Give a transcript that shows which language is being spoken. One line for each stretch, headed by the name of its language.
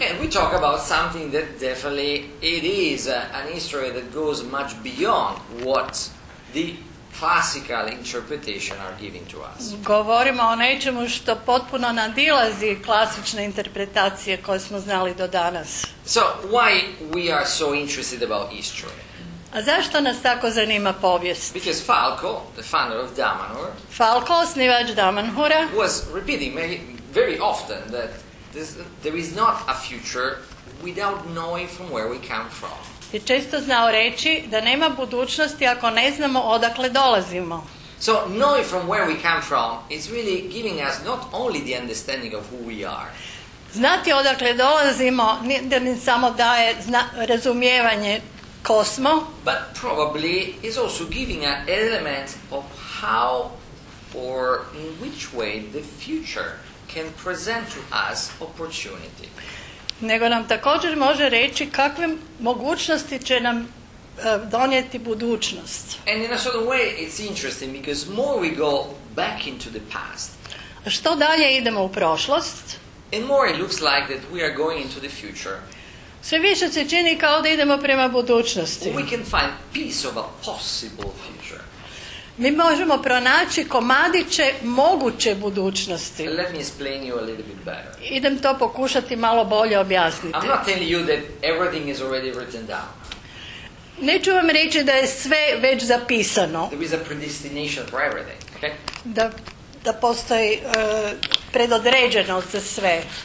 English: And we talk about something that definitely it is an history that goes much beyond what the classical interpretation are giving to us.
Croatian: Govorimo o nečemu što potpuno nadilazi klasične interpretacije koje smo znali do danas.
English: So why we are so interested about history?
Croatian: A zašto nas tako zanima povijest?
English: Because Falco, the founder of Dhammapur,
Croatian: Falco, osnivač Dhammapura,
English: was repeating very often that there is not a future without knowing from where we come from.
Croatian: Je često znao reći da nema budućnosti ako ne znamo odakle dolazimo.
English: So knowing from where we come from is really giving us not only the understanding of who we are.
Croatian: Znati odakle dolazimo ne samo daje razumijevanje ko smo,
English: but probably is also giving an element of how or in which way the future can present to us opportunity.
Croatian: Nego nam također može reći kakve mogućnosti će nam donijeti budućnost.
English: And in a certain way it's interesting because more we go back into the past.
Croatian: A što dalje idemo u prošlost?
English: And more it looks like that we are going into the future.
Croatian: Sve više se čini kao da idemo prema budućnosti.
English: We can find piece of a possible future.
Croatian: Mi možemo pronaći komadiće moguće budućnosti.
English: Let me explain you a little bit better.
Croatian: Idem to pokušati malo bolje objasniti.
English: I'm not telling you that everything is already written down.
Croatian: Neću vam reći da je sve već zapisano.
English: There is a predestination for everything, okay?
Croatian: Da postoji predodređenost za sve.